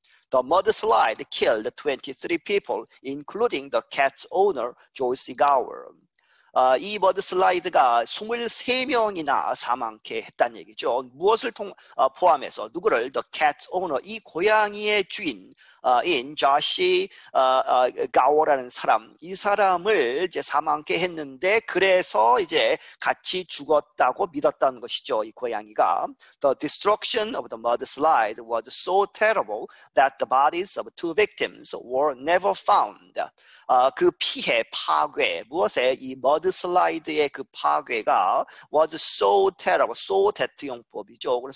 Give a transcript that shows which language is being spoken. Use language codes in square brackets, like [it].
[en] The mudslide killed 23 people, including the cat's owner, Joyce Gower. [ko] 이 버드 슬라이드가 23명이나 사망케 했단 얘기죠. 무엇을 포함해서 누구를 [en] the cat's owner [ko] 이 고양이의 주인 인 조시 가오라는 사람 이 사람을 이제 사망케 했는데 그래서 이제 같이 죽었다고 믿었다는 것이죠. 이 고양이가 [en] the destruction of the mud slide was so terrible that the bodies of two victims were never found. [ko] 그 피해 파괴 무엇에 이 mud 슬라이드의 그 파괴가 [en] was so terrible, so that [ko] 용법이죠.